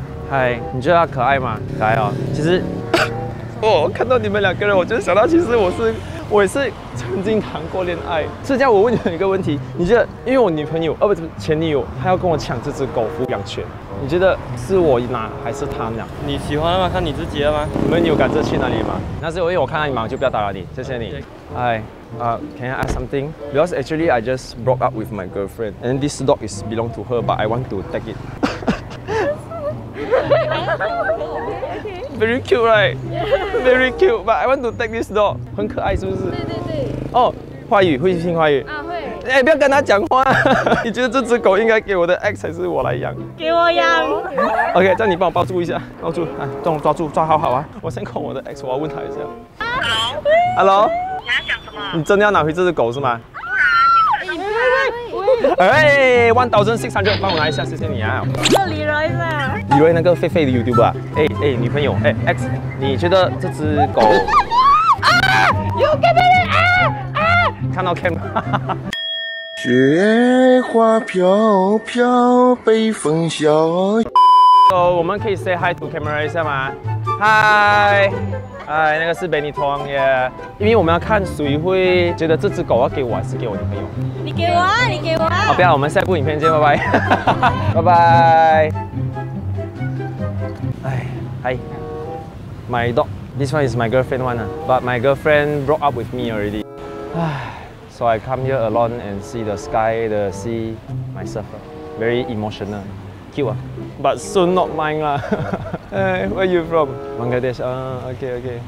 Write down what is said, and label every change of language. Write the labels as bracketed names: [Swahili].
[Chinese] 嗨，你觉得他可爱吗？可爱哦。其实，我看到你们两个人，我就想到，其实我也是曾经谈过恋爱。这样，我问你们一个问题，你觉得，因为我女朋友，不是前女友，她要跟我抢这只狗抚养权，你觉得是我拿还是她拿？你喜欢吗？看你自己了吗？你们有赶着去哪里吗？那是因为我看到你忙，就不要打扰你，谢谢你。 [English] 嗨。Can I ask something? Because actually I just broke up with my girlfriend and this dog is belong to her but I want to take it. Very cute, right? Very cute, but I want to take this dog. [Chinese] 很可爱是不是？对对对。哦，华语，会听华语？啊，会。哎，不要跟他讲话。你觉得这只狗应该给我的 ex 还是我来养？给我养。 OK， 这样你帮我抱住一下，抱住，啊，动抓住，抓好好啊。我先 call 我的 ex， 我要问他一下。 [English] Hello。 [Chinese] 你真的要拿回这只狗是吗？哎 ，1600， 帮我拿一下，谢谢你啊。叫李瑞吧。李瑞那个废废的 YouTuber 啊，哎，女朋友，哎 ，X， 你觉得这只狗？ [English] 啊 ！You give me 啊啊！ [Chinese] 看到 cam。雪花飘飘，北风萧。我们可以 [English] say hi to camera [Chinese] 一下吗？嗨。哎，那个是被你撞耶，因为我们要看谁会觉得这只狗要给我还是给我女朋友。你给我，你给我。好，不要，我们下一部影片见，拜拜。拜拜。 [English] 哎，嗨 ，My dog， this one is my girlfriend one， but my girlfriend broke up with me already。哎 ，So I come here alone and see the sky， the sea， myself， very emotional， cute 啊。 But soon not mine lah. Hey, where are you from? Bangladesh. Okay, okay.